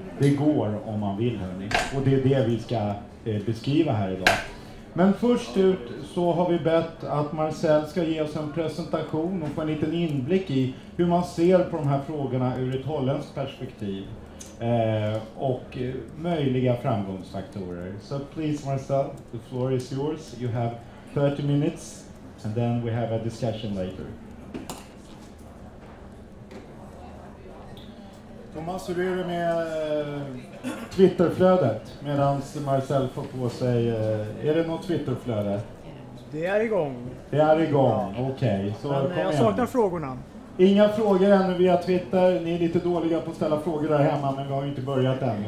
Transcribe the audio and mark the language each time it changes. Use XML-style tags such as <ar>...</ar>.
<sv>Det går om man vill, hörni. Och det är det vi ska beskriva här idag. Men först ut så har vi bett att Marcel ska ge oss en presentation och få en liten inblick i hur man ser på de här frågorna ur ett holländskt perspektiv och möjliga framgångsfaktorer.</sv> <en>So please Marcel, the floor is yours. You have 30 minutes and then we have a discussion later.</en> <sv>Thomas, hur är det med Twitterflödet medan Marcel får på sig, är det något Twitterflöde? Det är igång. Det är igång, okej. Okay. Jag saknar frågorna. Inga frågor ännu via Twitter, ni är lite dåliga på att ställa frågor där hemma, men vi har ju inte börjat ännu.</sv>